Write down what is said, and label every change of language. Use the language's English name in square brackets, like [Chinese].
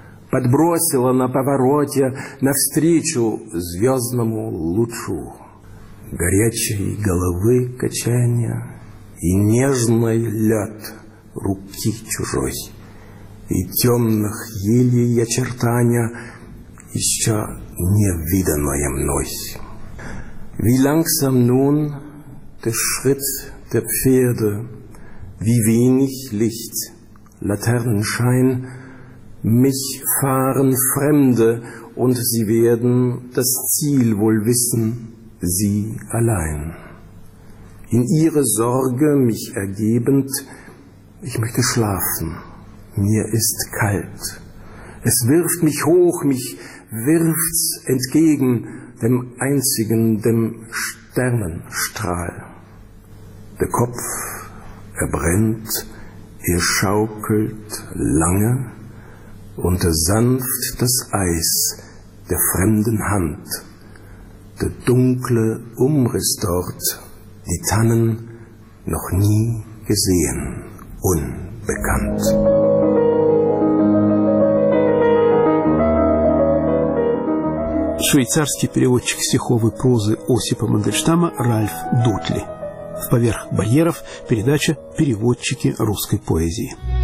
[Russian] Подбросила на повороте навстречу звездному лучу. Горячей головы качанья и нежный лед руки чужой. И темных елей очертания еще не виданное мной. [German] Wie langsam nun der Schritt der Pferde, wie wenig Licht, Laternenschein, mich fahren Fremde, und sie werden das Ziel wohl wissen, sie allein. In ihre Sorge mich ergebend, ich möchte schlafen, mir ist kalt. Es wirft mich hoch, mich wirft's entgegen, dem einzigen, dem Sternenstrahl. Der Kopf, er brennt, er schaukelt lange, und sanft das Eis der fremden Hand, der dunkle Umriss dort, die Tannen noch nie gesehen, unbekannt. [Russian] Швейцарский переводчик стиховой прозы Осипа Мандельштама Ральф Дутли. «Поверх барьеров» – передача «Переводчики русской поэзии».